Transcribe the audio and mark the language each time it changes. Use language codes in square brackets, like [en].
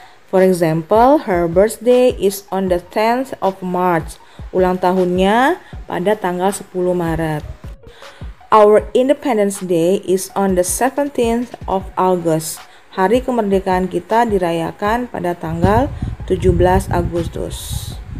[en] For example, her birthday is on the 10th of March. [id] Ulang tahunnya pada tanggal 10 Maret. [en] Our Independence Day is on the 17th of August. [id] Hari kemerdekaan kita dirayakan pada tanggal 17 Agustus.